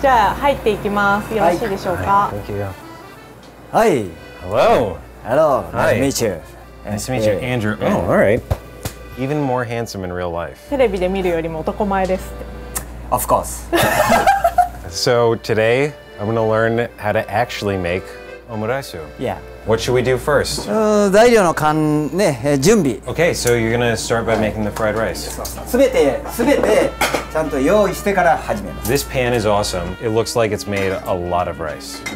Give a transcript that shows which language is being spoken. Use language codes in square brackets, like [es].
[ja] じゃあ入っていきます。よろしいでしょうか? [en] Thank you. Hi. Hello. Hello. Nice to meet you. Nice to meet you, Andrew. Oh, all right. Even more handsome in real life. [ja] テレビで見るよりも男前ですって。 [en] Of course. So today, I'm going to learn how to actually make omuraisu. Yeah. What should we do first? [ja] 材料の準備。 [en] Okay, so you're going to start by making the fried rice. [ja] すべてちゃんと用意してから始めます。 [en] This pan is awesome. It looks like it's made a lot of rice.